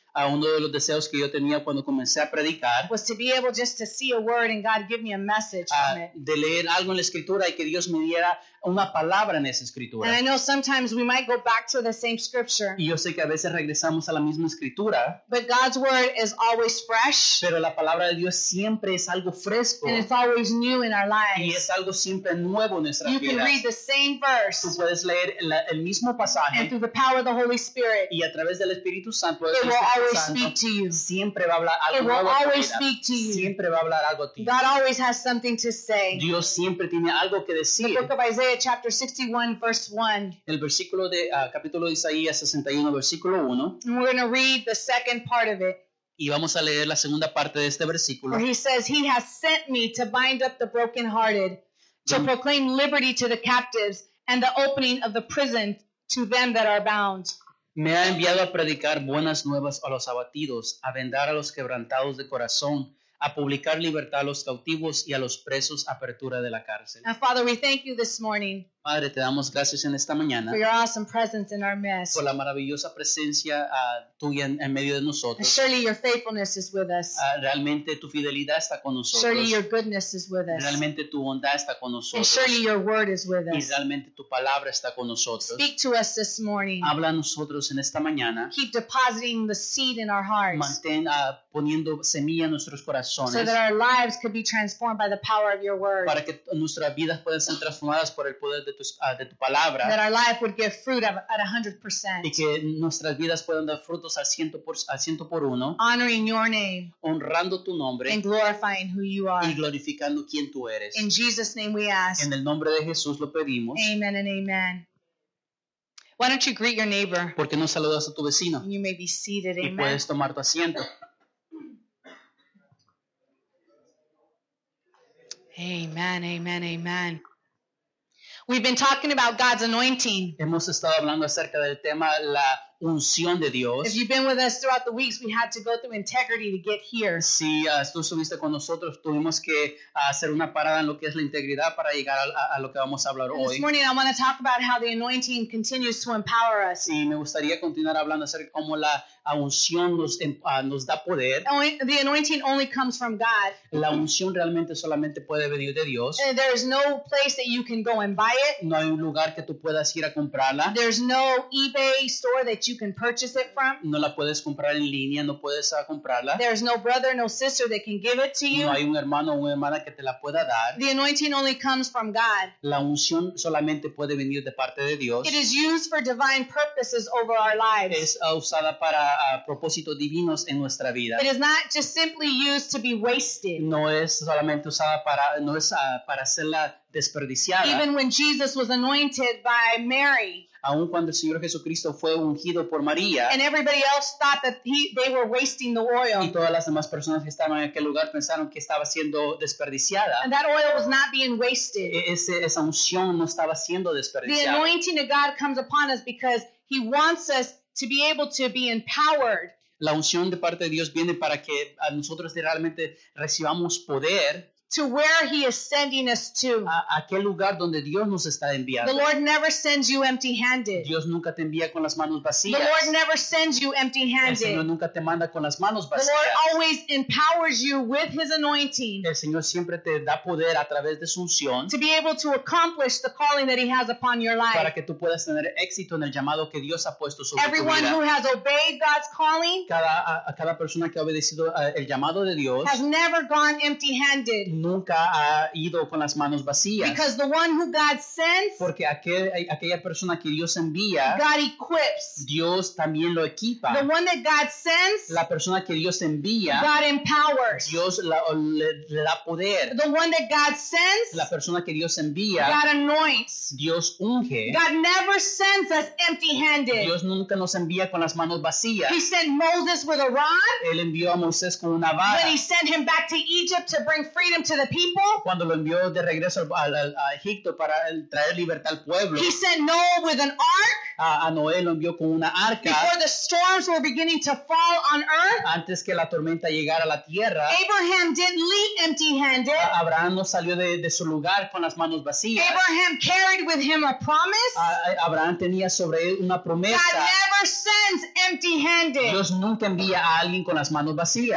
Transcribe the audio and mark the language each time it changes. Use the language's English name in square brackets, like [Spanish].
[Spanish] Uno de los deseos que yo tenía cuando comencé a predicar [English] was to be able just to see a word and God give me a message from it. [Spanish] De leer algo en la escritura y que Dios me diera una palabra en esa escritura. [English] And I know sometimes we might go back to the same scripture. [Spanish] Y yo sé que a veces regresamos a la misma escritura. [English] But God's word is always fresh. [Spanish] Pero la palabra de Dios siempre es algo fresco. [English] And it's always new in our lives. [Spanish] Y es algo siempre nuevo en nuestras [English] you [Spanish] vidas. [English] You can read the same verse. [Spanish] Tú puedes leer el mismo pasaje. [English] And through the power of the Holy Spirit. [Spanish] Y a través del Espíritu Santo. [English] It will always speak to you. [Spanish] Siempre va a hablar algo. [English] It will always speak to you. [Spanish] Siempre va a hablar algo a ti. [English] God always has something to say. [Spanish] Dios siempre tiene algo que decir. [English] The book of Isaiah. Chapter 61, verse 1. [Spanish] El versículo de capítulo de Isaías 61, versículo 1. [English] And we're going to read the second part of it. [Spanish] Y vamos a leer la segunda parte de este versículo. [English] Where he says, He has sent me to bind up the brokenhearted, to proclaim liberty to the captives, and the opening of the prison to them that are bound. [Spanish] Me ha enviado a predicar buenas nuevas a los abatidos, a vendar a los quebrantados de corazón, a publicar libertad a los cautivos y a los presos apertura de la cárcel. [English] Now, Father, we thank you this morning. [Spanish] Padre, te damos gracias en esta mañana. [English] For your awesome presence in our midst. [Spanish] Por la maravillosa presencia tuya en medio de nosotros. [English] And surely your faithfulness is with us. [Spanish] Realmente tu fidelidad está con nosotros. [English] Surely your goodness is with us. [Spanish] Realmente tu bondad está con nosotros. [English] And surely your word is with us. [Spanish] Y realmente tu palabra está con nosotros. [English] Speak to us this morning. [Spanish] Habla a nosotros en esta mañana. [English] Keep depositing the seed in our hearts. [Spanish] Mantén poniendo semilla en nuestros corazones. [English] So that our lives could be transformed by the power of your word. [Spanish] Para que nuestras vidas puedan ser transformadas por el poder de tu palabra. [English] That our life would give fruit at 100%. [Spanish] Y que nuestras vidas puedan dar frutos al ciento por uno. [English] Honoring your name. [Spanish] Honrando tu nombre. [English] And glorifying who you are. [Spanish] Y glorificando quién tú eres. [English] In Jesus' name we ask. [Spanish] En el nombre de Jesús lo pedimos. [English] Amen and amen. Why don't you greet your neighbor? [Spanish] ¿Por qué no saludas a tu vecino? [English] You may be seated. [Spanish] Y amen. Puedes tomar tu asiento. [English] Amen, amen, amen. We've been talking about God's anointing. [Spanish] Hemos estado hablando acerca del tema la unción de Dios. [English] If you've been with us throughout the weeks, we had to go through integrity to get here. [Spanish] Si tú estuviste con nosotros, tuvimos que hacer una parada en lo que es la integridad para llegar a lo que vamos a hablar hoy. [English] This morning, I want to talk about how the anointing continues to empower us. [Spanish] Y me gustaría continuar hablando acerca cómo la unción nos da poder. [English] The anointing only comes from God. [Spanish] La unción realmente solamente puede venir de Dios. [English] And there is no place that you can go and buy it. [Spanish] No hay un lugar que tú puedas ir a comprarla. [English] There's no eBay store that you can purchase it from. [Spanish] No la puedes comprar en línea, no puedes comprarla. [English] There's no brother, no sister that can give it to you. [Spanish] No hay un hermano o una hermana que te la pueda dar. [English] The anointing only comes from God. [Spanish] La unción solamente puede venir de parte de Dios. [English] It is used for divine purposes over our lives. [Spanish] Es usada para propósitos divinos en nuestra vida. [English] It is not just simply used to be wasted. [Spanish] No es solamente usada para, no es para hacerla desperdiciada. [English] Even when Jesus was anointed by Mary. [Spanish] Aun cuando el Señor Jesucristo fue ungido por María. [English] And everybody else thought that they were wasting the oil. [Spanish] Y todas las demás personas que estaban en aquel lugar pensaron que estaba siendo desperdiciada. [English] And that oil was not being wasted. [Spanish] Esa unción no estaba siendo desperdiciada. [English] The anointing of God comes upon us because he wants us to be able to be empowered. [Spanish] La unción de parte de Dios viene para que a nosotros realmente recibamos poder. [English] To where he is sending us to. [Spanish] A aquel lugar donde Dios nos está enviando. [English] The Lord never sends you empty-handed. [Spanish] Dios nunca te envía con las manos vacías. [English] The Lord never sends you empty-handed. [Spanish] El Señor nunca te manda con las manos vacías. [English] The Lord always empowers you with his anointing. [Spanish] El Señor siempre te da poder a través de su unción. [English] To be able to accomplish the calling that he has upon your life. [Spanish] Para que tú puedas tener éxito en el llamado que Dios ha puesto sobre [English] Everyone [Spanish] tu vida. [English] Everyone who has obeyed God's calling. [Spanish] Cada persona que ha obedecido el llamado de Dios. [English] Has never gone empty-handed. [Spanish] Nunca ha ido con las manos vacías. [English] Because the one who God sends, [Spanish] porque aquella persona que Dios envía, [English] God equips. [Spanish] Dios también lo equipa. [English] The one that God sends, [Spanish] la persona que Dios envía, [English] God empowers. [Spanish] Dios le da poder. [English] The one that God sends, [Spanish] la persona que Dios envía, [English] God anoints. [Spanish] Dios unge. [English] God never sends us empty-handed. [Spanish] Dios nunca nos envía con las manos vacías. [English] He sent Moses with a rod. [Spanish] Él envió a Moisés con una vara. [English] When he sent him back to Egypt to bring freedom. To the people. [Spanish] Cuando lo envió de regreso a Egipto para traer libertad al pueblo. [English] He sent Noah with an ark. [Spanish] A Noé lo envió con una arca. [English] Before the storms were beginning to fall on earth. [Spanish] Antes que la tormenta llegara a la tierra. [English] Abraham didn't leave empty-handed. [Spanish] Abraham no salió de su lugar con las manos vacías. [English] Abraham carried with him a promise. [Spanish] Abraham tenía sobre él una promesa. [English] God never sends empty-handed. [Spanish] Dios nunca envía a alguien con las manos vacías.